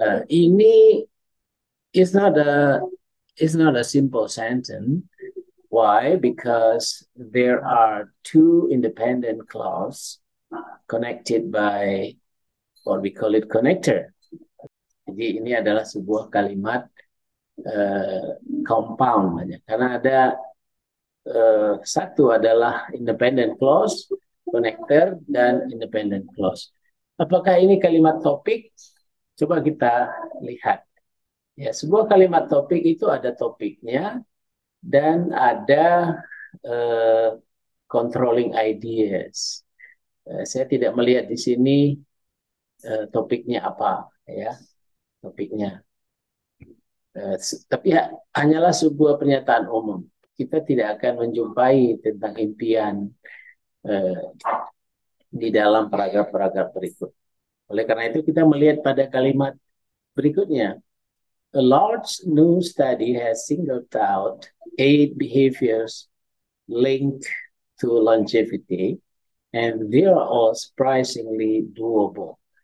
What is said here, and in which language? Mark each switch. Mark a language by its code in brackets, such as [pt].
[en] Ini is not a simple sentence. Why? Because there are two independent clauses connected by what we call it connector. [id] Jadi ini adalah sebuah kalimat compound banyak. Karena ada satu adalah independent clause, connector, dan independent clause. Apakah ini kalimat topik? Coba kita lihat. Ya, sebuah kalimat topik itu ada topiknya dan ada controlling ideas. Saya tidak melihat di sini topiknya apa, ya. Topiknya. Tapi ya, hanyalah sebuah pernyataan umum. Kita tidak akan menjumpai tentang impian di dalam paragraf-paragraf berikut. Oleh karena itu, kita melihat pada kalimat berikutnya. [en] A large new study has singled out 8 behaviors linked to longevity, and they are all surprisingly doable.